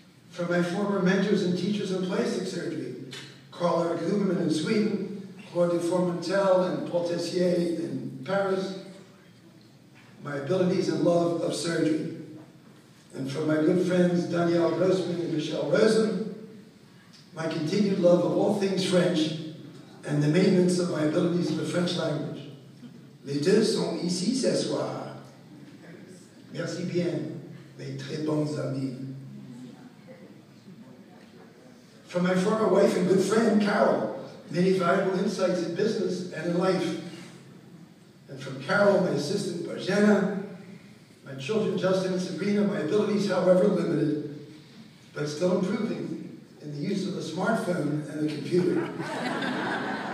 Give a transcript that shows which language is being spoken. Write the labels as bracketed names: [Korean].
[English] From my former mentors and teachers in plastic surgery, Carl Eric Huberman in Sweden, Claude Dufour-Montel and Paul Tessier in Paris, my abilities and love of surgery. And from my good friends, Daniel Grossman and Michelle Rosen, my continued love of all things French and the maintenance of my abilities in the French language. [French] Les deux sont ici ce soir. Merci bien, mes très bons amis. [English] From my former wife and good friend, Carol, many valuable insights in business and in life. And from Carol, my assistant, Barjana, my children, Justin and Sabrina, my abilities, however limited, but still improving in the use of the smartphone and the computer.